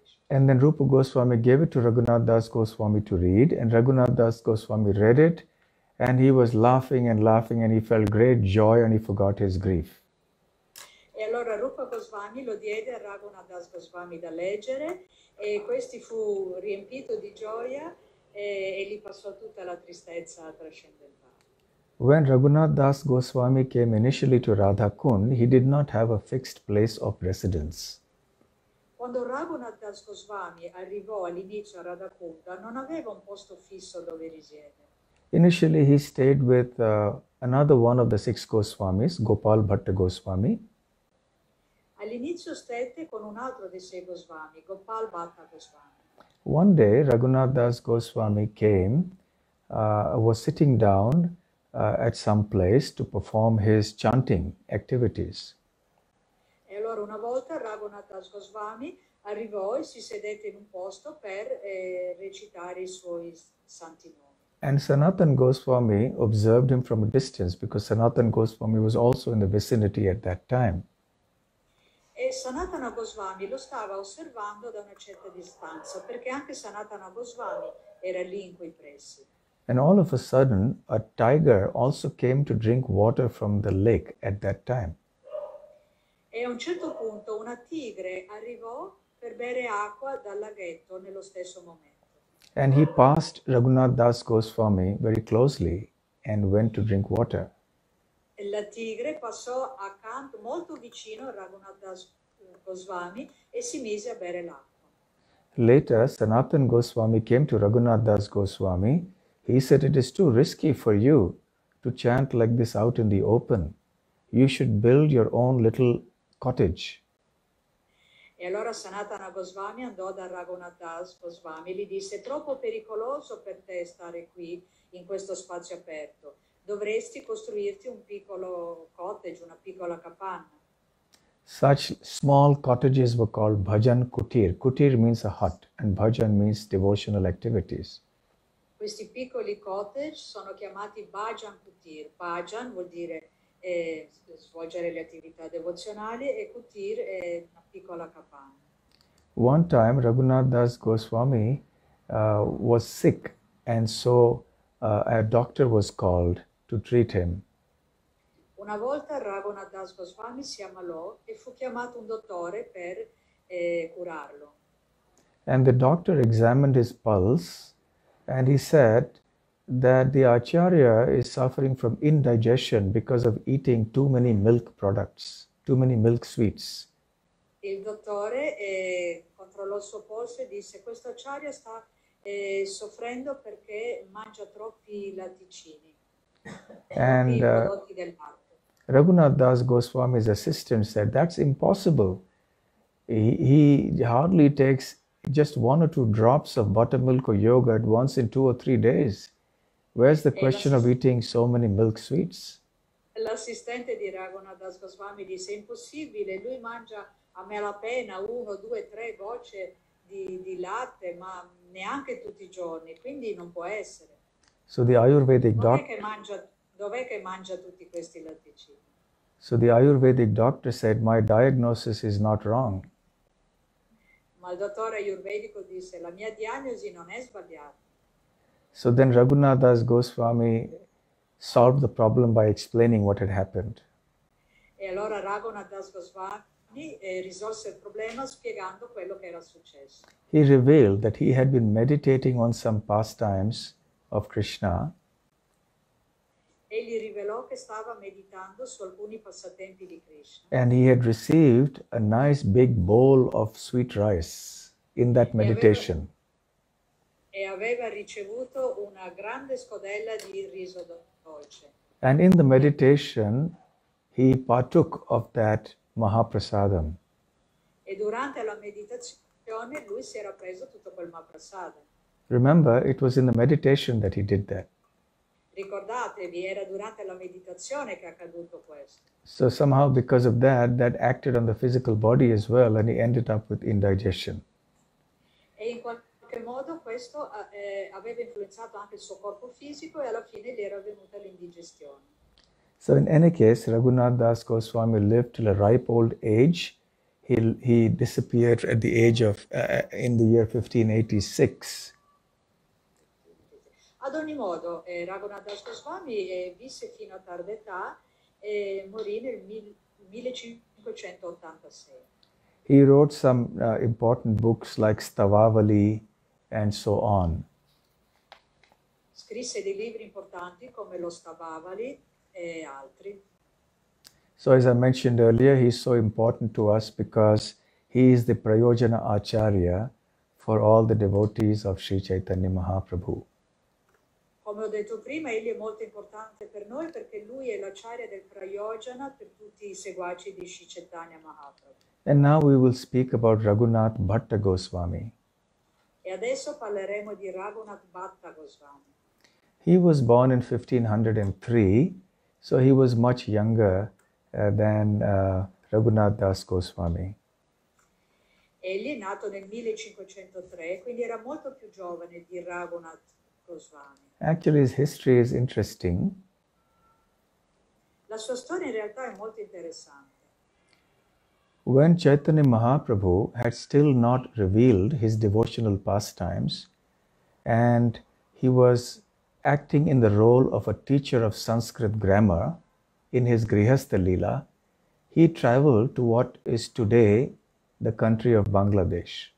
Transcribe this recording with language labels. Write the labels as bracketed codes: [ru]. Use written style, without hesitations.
[en] And then Rupa Goswami gave it to Raghunath Das Goswami to read, and Raghunath Das Goswami read it, and he was laughing and laughing, and he felt great joy, and he forgot his grief. [it] E allora Rupa Goswami lo diede a Raghunath Das Goswami da leggere, e questi fu riempito di gioia, e gli passò tutta la tristezza trascendentale. [en] When Raghunath Das Goswami came initially to Radhakund, he did not have a fixed place of residence. [it] Quando Raghunath Das Goswami arrivò all'inizio a Radhakunda, non aveva un posto fisso dove risiedere. [en] Initially, he stayed with another one of the six Goswamis, Gopal Bhat Goswami. [it] All'inizio stette con un altro dei sei Goswami, Gopal Bhat Goswami. [en] One day, Raghunath Dasa Goswami came, was sitting down at some place to perform his chanting activities. [it] E allora una volta Raghunath Dasa Goswami arrivò e si sedette in un posto per recitare i suoi santi nomi. [en] And Sanatan Goswami observed him from a distance because Sanatan Goswami was also in the vicinity at that time. [it] E Sanatana Goswami lo stava osservando da una certa distanza perché anche Sanatana Goswami era lì in quei pressi. [en] And all of a sudden, a tiger also came to drink water from the lake at that time. [it] E a un certo punto una tigre arrivò per bere acqua dal laghetto nello stesso momento. [en] And he passed Raghunath Dasa Goswami very closely and went to drink water. [it] La tigre passò accanto, molto vicino a Raghunath Dasa Goswami e si mise a bere l'acqua. [en] Later, Sanatan Goswami came to Raghunath Dasa Goswami. He said, it is too risky for you to chant like this out in the open. You should build your own little cottage. [it] E allora Sanatana Goswami andò da Raghunath Dasa Goswami e gli disse, troppo pericoloso per te stare qui, in questo spazio aperto. Dovresti costruirti un piccolo cottage, una piccola capanna. [en] Such small cottages were called bhajan kutir. Kutir means a hut and bhajan means devotional activities. [it] Questi piccoli cottage sono chiamati bhajan kutir. Bhajan vuol dire e svolgere le attività devozionali e kutir è una piccola capanna. [en] One time Raghunath Dasa Goswami was sick and so a doctor was called to treat him. [it] Una volta Raghunath Dasa Goswami si ammalò e fu chiamato un dottore per curarlo. [en] And the doctor examined his pulse and he said that the Acharya is suffering from indigestion because of eating too many milk products, too many milk sweets. [it] Il dottore controllò il suo polso e disse, questo Acharya sta soffrendo perché mangia troppi latticini. [en] And Raghunath Dasa Goswami's assistant said, that's impossible. He hardly takes just one or two drops of buttermilk or yogurt once in two or three days. Where's the question of eating so many milk sweets? [it] L'assistente di Raghunath Dasa Goswami disse, impossibile, lui mangia a malapena uno, due, tre gocce di latte, ma neanche tutti i giorni, quindi non può essere. [en] So the Ayurvedic [it] doctor... Dov'è che mangia tutti questi latticini? [en] So the Ayurvedic doctor said, my diagnosis is not wrong. [it] Ma il dottore ayurvedico disse, la mia diagnosi non è sbagliata. [en] So then Raghunath Dasa Goswami solved the problem by explaining what had happened. [it] E allora Raghunath Dasa Goswami risolse il problema spiegando quello che era successo. [en] He revealed that he had been meditating on some pastimes of Krishna. [it] Egli rivelò che stava meditando su alcuni passatempi di Krishna. [en] And he had received a nice big bowl of sweet rice in that meditation. [it] E aveva ricevuto una grande scodella di riso dolce. [en] And in the meditation, he partook of that Mahaprasadam. [it] E durante la meditazione, lui si era preso tutto quel Mahaprasadam. [en] Remember, it was in the meditation that he did that. [it] Ricordatevi, era durante la meditazione che è accaduto questo. [en] So somehow because of that, that acted on the physical body as well, and he ended up with indigestion. [it] E in qualche modo questo aveva influenzato anche il suo corpo fisico e alla fine gli era venuta l'indigestione. [en] So in any case, Raghunath Dasa Goswami lived till a ripe old age. He disappeared at the age of in the year 1586. [it] Ad ogni modo, Raghunath Dasa Goswami visse fino a tarda età e morì nel 1586. [en] He wrote some important books like Stavavali and so on. [it] Scrisse dei libri importanti come lo Stavavali e altri. [en] So as I mentioned earlier, he's so important to us because he is the Prayojana Acharya for all the devotees of Sri Chaitanya Mahaprabhu. [it] Come ho detto prima, egli è molto importante per noi perché lui è l'acharya del Prayojana per tutti i seguaci di Sri Chaitanya Mahaprabhu. [en] And now we will speak about Raghunath Bhat Goswami. [it] E adesso parleremo di Raghunath Bhat Goswami. [en] He was born in 1503, so he was much younger than Raghunath Das Goswami. [it] Egli è nato nel 1503, quindi era molto più giovane di Raghunath Goswami. [en] Actually, his history is interesting. [it] La sua storia in realtà è molto interessante. [en] When Chaitanya Mahaprabhu had still not revealed his devotional pastimes, and he was acting in the role of a teacher of Sanskrit grammar in his Grihastha Leela, he traveled to what is today the country of Bangladesh.